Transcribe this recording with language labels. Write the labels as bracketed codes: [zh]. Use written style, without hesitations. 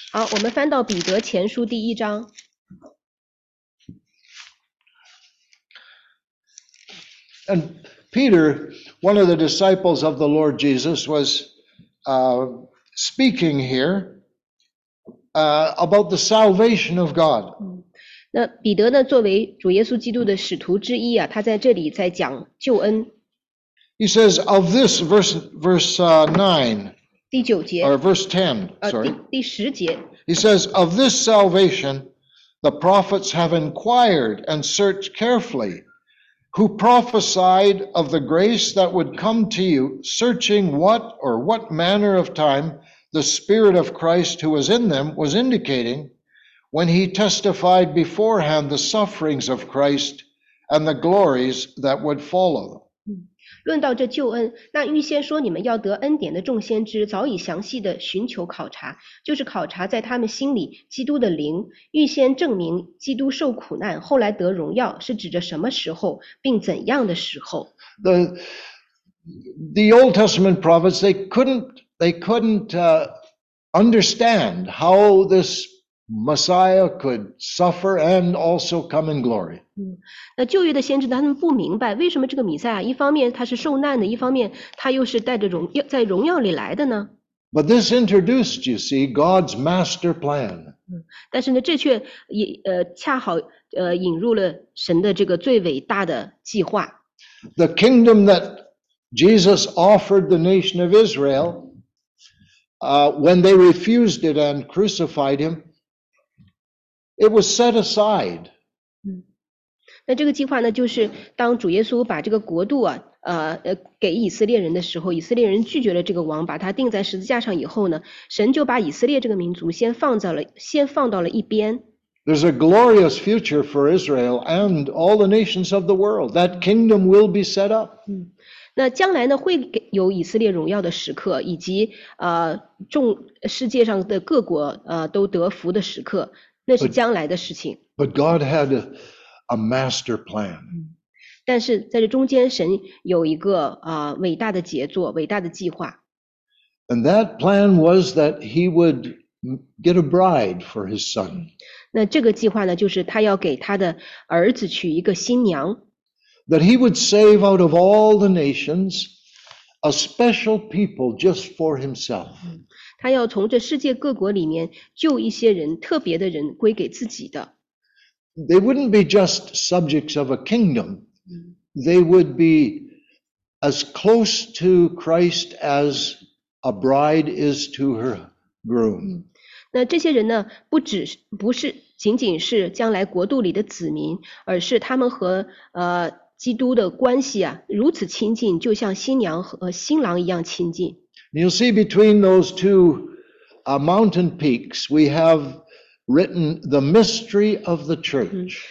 [zh] 好，我们翻到彼得前书第一章。 [en] And Peter, one of the disciples of the Lord Jesus, was speaking here about the salvation of God. [zh] 那彼得呢，作为主耶稣基督的使徒之一啊，他在这里在讲救恩。 [en] He says of this verse 9. [zh] 第九节。 [en] Or verse 10, sorry. [zh] 第十节。 [en] He says of this salvation, the prophets have inquired and searched carefully, who prophesied of the grace that would come to you, searching what or what manner of time the Spirit of Christ who was in them was indicating. When he testified beforehand the sufferings of Christ and the glories that would follow. [zh] 论到这救恩，那预先说你们要得恩典的众先知早已详细的寻求考察，就是考察在他们心里基督的灵，预先证明基督受苦难，后来得荣耀，是指着什么时候，并怎样的时候。 [en] The Old Testament prophets they couldn't understand how this. Messiah could suffer and also come in glory. [zh] 那旧约的先知他们不明白为什么这个弥赛亚一方面他是受难的，一方面他又是带着荣耀在荣耀里来的呢？ [en] But this introduced, you see, God's master plan. [zh] 但是呢，这却恰好引入了神的这个最伟大的计划。 [en] The kingdom that Jesus offered the nation of Israel, when they refused it and crucified him. It was set aside. [zh] 那这个计划呢，就是当主耶稣把这个国度啊，给以色列人的时候，以色列人拒绝了这个王，把他钉在十字架上以后呢，神就把以色列这个民族先放到了一边。 [en] There's a glorious future for Israel and all the nations of the world. That kingdom will be set up. [zh] 那将来呢，会有以色列荣耀的时刻，以及众世界上的各国都得福的时刻。那是将来的事情。 [en] But God had a master plan. [zh] 但是在这中间，神有一个伟大的杰作，伟大的计划。 [en] And that plan was that he would get a bride for his son. [zh] 那这个计划呢，就是他要给他的儿子娶一个新娘。 [en] That he would save out of all the nations a special people just for himself. [zh] 他要从这世界各国里面救一些人，特别的人归给自己的。 [en] They wouldn't be just subjects of a kingdom. They would be as close to Christ as a bride is to her groom. [zh] 那这些人呢，不是仅仅是将来国度里的子民，而是他们和基督的关系啊，如此亲近，就像新娘和新郎一样亲近。 [en] You'll see between those two mountain peaks, we have written the mystery of the church.